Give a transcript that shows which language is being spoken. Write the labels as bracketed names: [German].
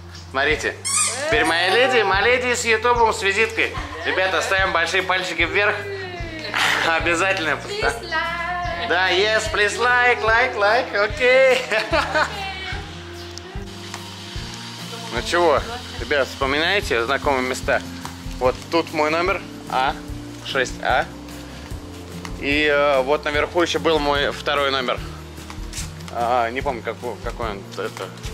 [Russian] Смотрите, теперь моя леди, с ютубом, с визиткой. Ребята, ставим большие пальчики вверх. Обязательно. [English] Please like! [Russian] Да, [English] yes, please like, окей. [Russian] Ну чего, ребят, вспоминайте знакомые места. Вот тут мой номер, 6А. И вот наверху еще был мой второй номер. Не помню, какой он. Это.